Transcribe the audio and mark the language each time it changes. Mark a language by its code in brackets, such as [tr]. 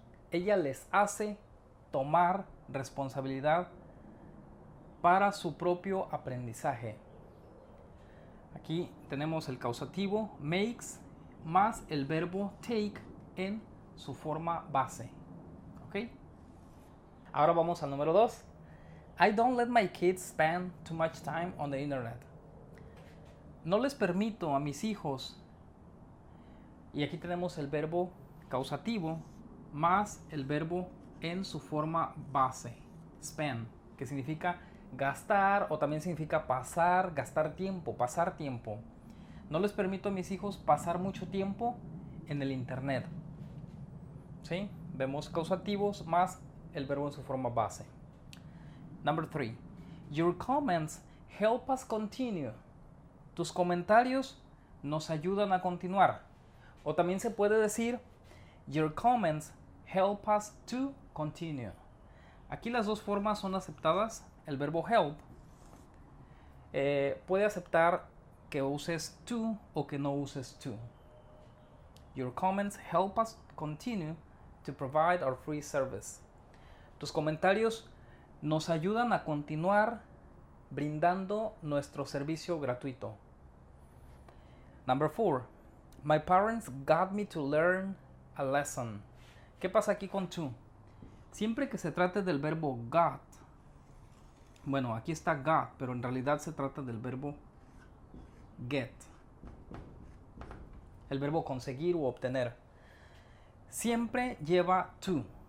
[es] Ella les hace tomar responsabilidad para su propio aprendizaje. Aquí tenemos el causativo makes más el verbo take en su forma base. ¿Ok? Ahora vamos al número 2. [en] I don't let my kids spend too much time on the internet. [es] No les permito a mis hijos. Y aquí tenemos el verbo causativo más el verbo en su forma base. Spend, que significa gastar o también significa pasar, gastar tiempo, pasar tiempo. No les permito a mis hijos pasar mucho tiempo en el internet. ¿Sí? Vemos causativos más el verbo en su forma base. [en] Number 3. Your comments help us continue. [es] Tus comentarios nos ayudan a continuar. O también se puede decir [en] your comments help us to continue. [es] Aquí las dos formas son aceptadas. El verbo help puede aceptar que uses to o que no uses to. [en] Your comments help us continue to provide our free service. [es] Tus comentarios nos ayudan a continuar brindando nuestro servicio gratuito. [en] Number 4. My parents got me to learn a lesson. [es] ¿Qué pasa aquí con to? Siempre que se trate del verbo got, bueno, aquí está got, pero en realidad se trata del verbo get. El verbo conseguir o obtener. Siempre lleva to.